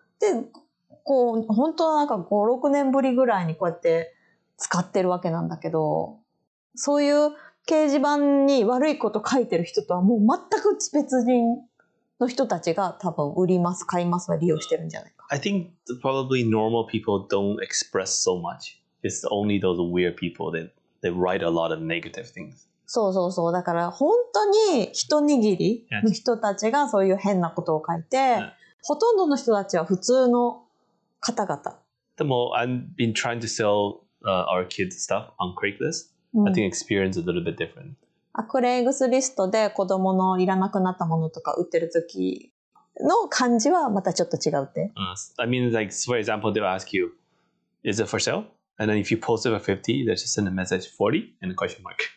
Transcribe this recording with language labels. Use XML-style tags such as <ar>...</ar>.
<ja>で、こう、本当なんか5、6年ぶりぐらいにこうやって使ってるわけなんだけど、そういう掲示板に悪いこと書いてる人とはもう全く別人の人たちが多分売ります、買いますは利用してるんじゃないか。</ja> <en>I think probably normal people don't express so much. It's only those weird people that they write a lot of negative things.</en> <ja>そうそうそう。だから本当に一握りの人たちがそういう変なことを書いて、ほとんどの人たちは普通の方々。</ja> <en>でも、I've been trying to sell、our kids stuff on Craigslist. I think experience is a little bit different.</en> <ja>あ、クレイグスリストで子供のいらなくなったものとか売ってる時の感じはまたちょっと違うって。</ja> <en>I mean, like, for example, they'll ask you, is it for sale? And then if you post it for 50, they'll just send a message 40 and a question mark.</en>